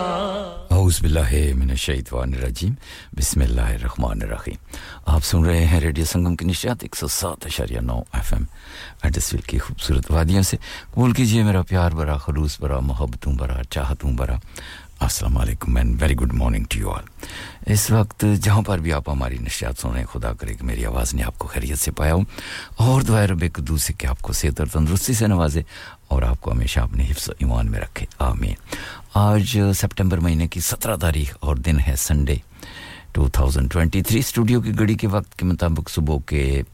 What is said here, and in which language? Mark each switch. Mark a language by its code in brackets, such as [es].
[ar] اعوذ باللہ من الشیطان الرجیم بسم اللہ الرحمن الرحیم [ur] آپ سن رہے ہیں ریڈیو سنگم کی نشریات 107.9 ایف ایم ایڈسویل کی خوبصورت وادیوں سے قبول کیجئے میرا پیار برا خلوص برا محبتوں برا چاہتوں برا [en] Assalamu alaikum and very good morning to you all. [ur] اس وقت جہاں پر بھی آپ ہماری نشریات سن رہے ہیں خدا کرے کہ میری آواز نے آپ کو خیریت سے پایا ہو اور دعائے رب قدوس سے کہ آپ کو صحت اور تندرستی سے نوازے اور آپ کو ہمیشہ اپنے حفظ و ایمان میں رکھے آمین آج سپٹمبر مہینے کی 17 تاریخ اور دن ہے سنڈے 2023 اسٹوڈیو کی گھڑی کے وقت کے مطابق صبح کے